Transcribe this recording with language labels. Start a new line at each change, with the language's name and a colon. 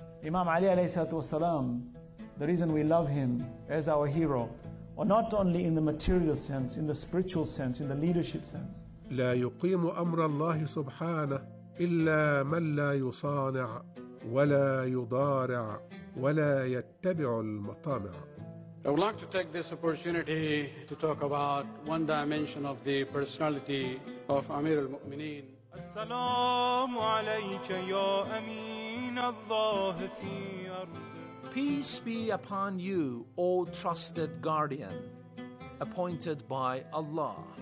English: Imam Ali alayhi salatu wasalam, the reason we love him as our hero, or not only in the material sense, in the spiritual sense, in the leadership sense.
Arabic: لا يقيم أمر الله سبحانه إلا من لا يصانع ولا يضارع ولا يتبع المطامع.
English: I would like to take this opportunity to talk about one dimension of the personality of Amir al-Mu'mineen.
Arabic: As-salamu alayka ya Amin Allah fi ardi.
English: Peace be upon you, O trusted guardian, appointed by Allah.